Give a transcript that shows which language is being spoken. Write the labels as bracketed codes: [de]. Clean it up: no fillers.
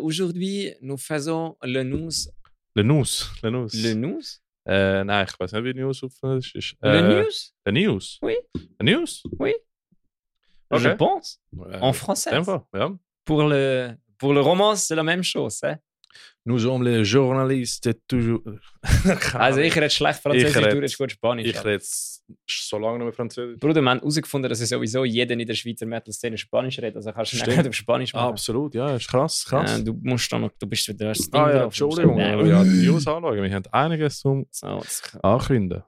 [fr] Aujourd'hui, nous faisons le news. Le news? [de] Nein, ich weiß nicht, wie News auf Französisch ist. [fr] Le news? Oui. Le news? Oui. Okay. Je pense. Ouais. En français. Ouais. Pour le roman, c'est la même chose. Hein? Nous sommes les journalistes toujours. [de] Also, ich rede schlecht Französisch, du redest gut Spanisch. Ich rede so lange nicht mehr Französisch. Bruder, wir haben herausgefunden, dass sowieso jeder in der Schweizer Metal-Szene Spanisch redet. Also, kannst du nicht auf Spanisch machen. Ah, absolut, ja, ist krass. Du musst dann noch, du bist wieder das Ding drauf. Ja, Entschuldigung, aber ja, die News anschauen. Wir haben einiges zum Ankünden.